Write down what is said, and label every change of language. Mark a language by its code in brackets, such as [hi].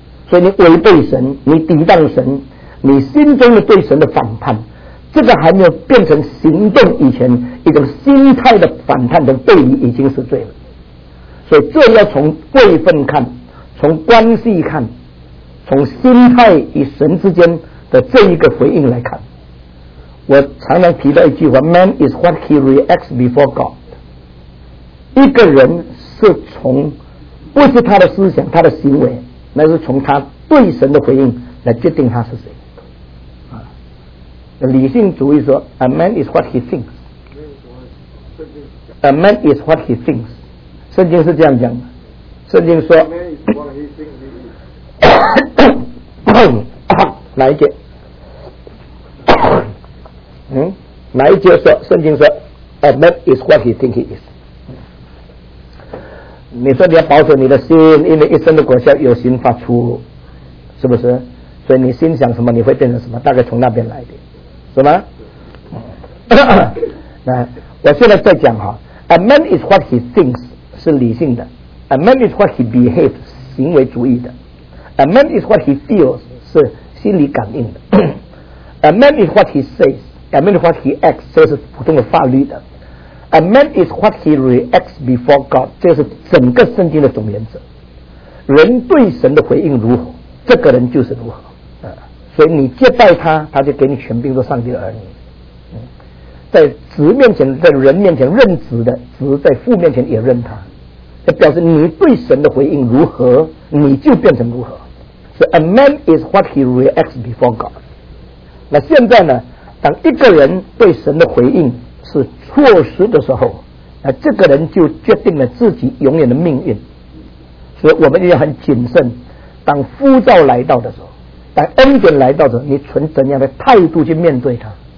[zh] 所以你违背神，你抵挡神，你心中的对神的反叛，这个还没有变成行动以前，一种心态的反叛的背离已经是罪了。所以这要从位分看，从关系看，从心态与神之间的这一个回应来看。我常常提到一句话， [en] Man is what he reacts before God。 [zh] 一个人是从不是他的思想、他的行为，那是从他对神的回应来决定他是谁。理性主义说 [en] A man is what he thinks， A man is what he thinks， [zh] 圣经是这样讲的。圣经说 哪一节哪一节说，圣经说 [en] A man is what he thinks he is。 [zh] 你说你要保守你的心，因为一生的果效由心发出，是不是？所以你心想什么，你会变成什么，大概从那边来的，是吗？那我现在在讲哈 [en] ，A man is what he thinks [zh] 是理性的 [en] ，A man is what he behaves [zh] 行为主义的 [en] ，A man is what he feels [zh] 是心理感应的， [en] A man is what he says，A man is what he acts [zh] 这是普通的法律的。 [en] A man is what he reacts before God， [zh] 这是整个圣经的总原则。人对神的回应如何，这个人就是如何。所以你接待他，他就给你权柄做上帝的儿女。在子面前，在人面前认子的，子在父面前也认他。这表示你对神的回应如何，你就变成如何。 [en] So a man is what he reacts before God. [zh] 那现在呢，当一个人对神的回应是错失的时候，那这个人就决定了自己永远的命运。所以我们要很谨慎，当呼召来到的时候，当恩典来到的时候，你存怎样的态度去面对它。